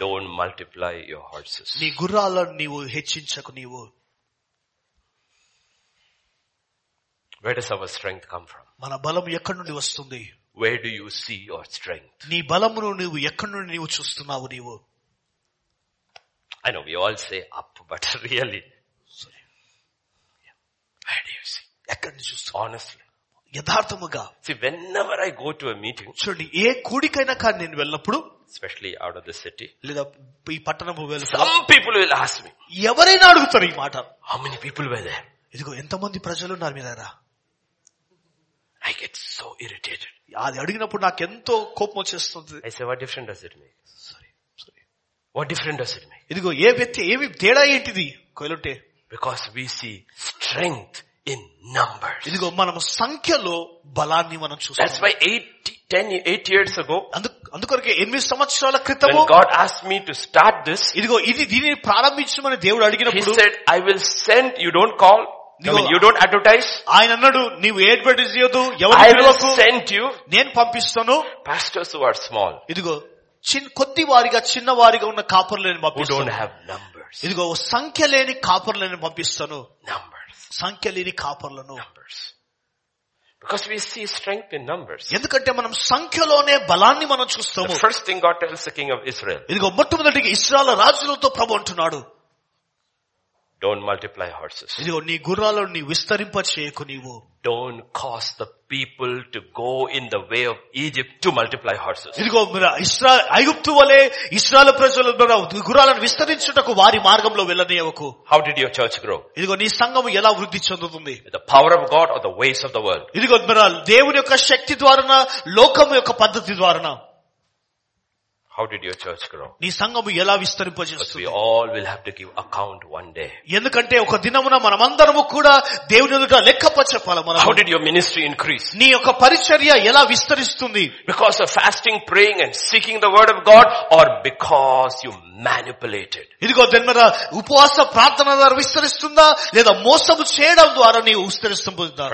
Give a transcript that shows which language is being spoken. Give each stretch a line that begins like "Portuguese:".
English: Don't multiply your horses,
Telugu: నీ గుర్రాలను నీవు హెచ్చించకు. నీవు
English: Where does our strength come from?
Telugu: మన బలం ఎక్కడ నుండి వస్తుంది?
English: Where do you see your strength?
Telugu: నీ బలమును నీవు ఎక్కడ నుండి నీవు చూస్తున్నావు నీవు?
English: I know we all say up, but really, where do you see?
Telugu: ఎక్కడ నుండి చూస్తావు?
English: Honestly.
Telugu: యథార్థముగా.
English: See, whenever I go to a meeting,
Telugu: చూడండి ఏ కూడికైనా కానీ నేను వెళ్ళినప్పుడు,
English: especially out of the city,
Telugu: లేదా ఈ పట్టణము వెళ్ళినప్పుడు,
English: some people will ask me,
Telugu: ఎవరైనా అడుగుతారు ఈ మాట,
English: how many people were there?
Telugu: ఇదిగో ఎంతమంది ప్రజలు ఉన్నారు మీ దగ్గర?
English: I get so irritated.
Telugu: అది అడిగినప్పుడు నాకు ఎంతో కోపం వచ్చేస్తుంది.
English: I say, what different does it make? Sorry. What different does it make?
Telugu: ఇదిగో ఏ వ్యక్తి ఏమి తేడా ఏంటిది కొలుంటే?
English: Because we see strength in numbers.
Telugu: ఇదిగో మనం సంఖ్యలో బలాన్ని మనం చూస్తాం.
English: That's why 8 years ago
Telugu: అందుకొరకే 8 సంవత్సరాల క్రితము
English: when God asked me to start this
Telugu: ఇదిగో ఇది దీనిని ప్రారంభించమని దేవుడు అడిగినప్పుడు
English: he said I will send you don't call I mean, you don't advertise.
Telugu: ఆయన అన్నాడు నీవు అడ్వర్టైజ్ చేయదు నేను పంపిస్తాను
English: Pastors who are small.
Telugu: ఇదిగో కొద్ది వారిగా చిన్న వారిగా ఉన్న కాపర్లను పంపిస్తాను ఇదిగో సంఖ్య లేని కాపర్లను పంపిస్తాను సంఖ్య లేని కాపర్లను
English: Because we see strength in numbers.
Telugu: ఎందుకంటే మనం సంఖ్యలోనే బలాన్ని మనం చూస్తాము
English: first thing God tells the king of Israel
Telugu: ఇదిగో మొట్టమొదటి ఇస్రాయెల్ రాజులతో ప్రభు అంటున్నాడు
English: Don't multiply horses.
Telugu: ఇదిగో నీ గుర్రాలను నీ విస్తరింప చేయకు నీవు
English: Don't cause the people to go in the way of Egypt to multiply horses.
Telugu: ఇదిగో ఇశ్రాయేలు ఐగుప్తు వలె ఇశ్రాయేలు ప్రజలు గుర్రాలను విస్తరించుటకు వారి మార్గంలో వెళ్ళనీయవకు.
English: How did your church grow?
Telugu: ఇదిగో నీ సంఘం ఎలా వృద్ధి చెందుతుంది?
English: The power of God or the ways of the world?
Telugu: ఇదిగో దేవుని యొక్క శక్తి ద్వారా లోకము యొక్క పద్ధతి ద్వారా
English: How did your church grow?
Telugu: నీ సంఘము ఎలా విస్తరింపజేస్తుంది?
English: We all will have to give account one day.
Telugu: ఎందుకంటే ఒక దినమున మనమందరము కూడా దేవుని ఎదుట లెక్కప చెప్పాలి మనం.
English: How did your ministry increase?
Telugu: నీ యొక్క పరిచర్య ఎలా విస్తరిస్తుంది?
English: Because of fasting, praying and seeking the word of God or because you manipulated?
Telugu: ఇదిగో దేవుడా ఉపవాస ప్రార్థన ద్వారా విస్తరిస్తుందా లేదా మోసము చేయడం ద్వారా నీవు విస్తరిస్తుందా?